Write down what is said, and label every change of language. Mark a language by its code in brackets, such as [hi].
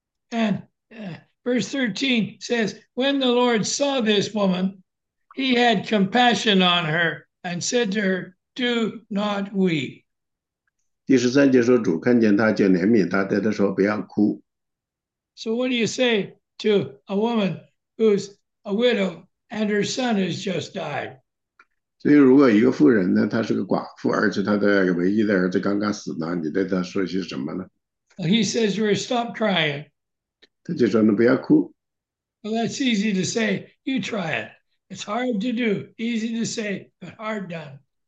[en] And verse 13 says, when the Lord saw this woman, he had compassion on her and said to her, do not weep. [zh] 第13节说，主看见他就怜悯他，对他说：“不要哭。” [en] So what do you say to a woman who's a widow and her son has just died? [zh] 所以，如果一个妇人呢，她是个寡妇，而且她的唯一的儿子刚刚死了，你对她说些什么呢？ [en] He says to her, stop crying. [zh] 他就说呢，不要哭。 [en] Well, that's easy to say. You try it. It's hard to do. Easy to say, but hard done.